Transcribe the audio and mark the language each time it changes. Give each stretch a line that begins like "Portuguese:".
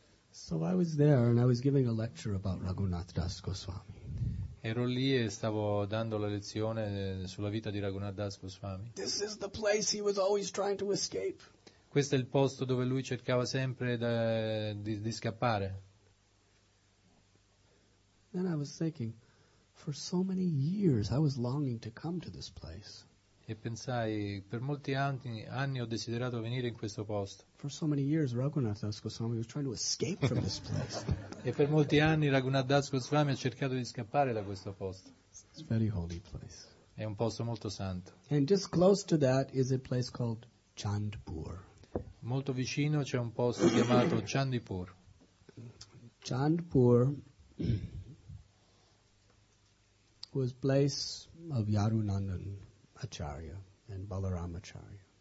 English: So I was there and I was giving a lecture about Raghunath Das Goswami.
Italian: Ero lì e stavo dando la lezione sulla vita di Raghunath Das Goswami.
English: This is the place he was always trying to escape.
Italian: Questo è il posto dove lui cercava sempre di scappare.
English: Then I was thinking, for so many years I was longing to come to this place.
Italian: E pensai, per molti anni ho desiderato venire in questo posto.
English: For so many years Raghunath Das Goswami was trying to escape from this place.
Italian: E per molti anni Raghunath Das Goswami ha cercato di scappare da questo posto.
English: It's a very holy place.
Italian: È un posto molto santo.
English: And just close to that is a place called Chandpur.
Italian: Molto vicino c'è un posto chiamato Chandipur.
English: Chandpur was place of Yarunandan Acharya and Balaram Acharya.